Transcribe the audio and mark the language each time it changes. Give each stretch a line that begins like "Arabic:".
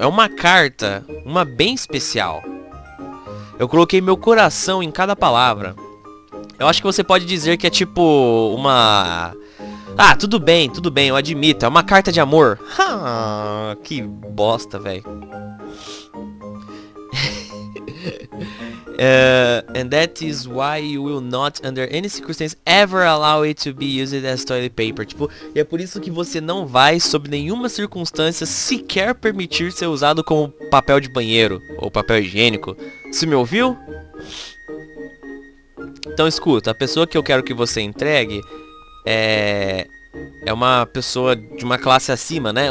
Portuguese: É uma carta. Uma bem especial. Eu coloquei meu coração em cada palavra. Eu acho que você pode dizer que é tipo uma... Ah, tudo bem, eu admito. É uma carta de amor. Ah, que bosta, velho.
English: And that is why you will not, under any circumstances, ever allow it to be used as toilet paper.
Portuguese: Tipo, e é por isso que você não vai, sob nenhuma circunstância, sequer permitir ser usado como papel de banheiro ou papel higiênico. Você me ouviu? Então escuta, a pessoa que eu quero que você entregue é uma pessoa de uma classe acima, né?